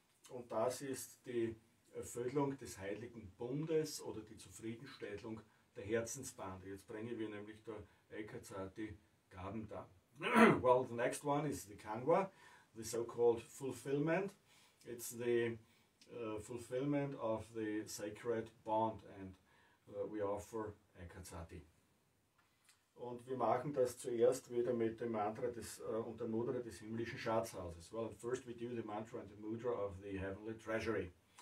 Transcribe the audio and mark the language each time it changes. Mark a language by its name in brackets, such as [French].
[German] Und das ist die Erfüllung des Heiligen Bundes oder die Zufriedenstellung der Herzensbande. Jetzt bringen wir nämlich der Eckhart die Gaben da. [English] Well, the next one is the Kangwa, the so-called fulfillment. It's the fulfillment of the sacred bond, and we offer Ekatsati. [German] Und wir machen das zuerst wieder mit dem Mantra des und der Mudra des himmlischen Schatzhauses. [English] Well, first we do the mantra and the mudra of the heavenly treasury.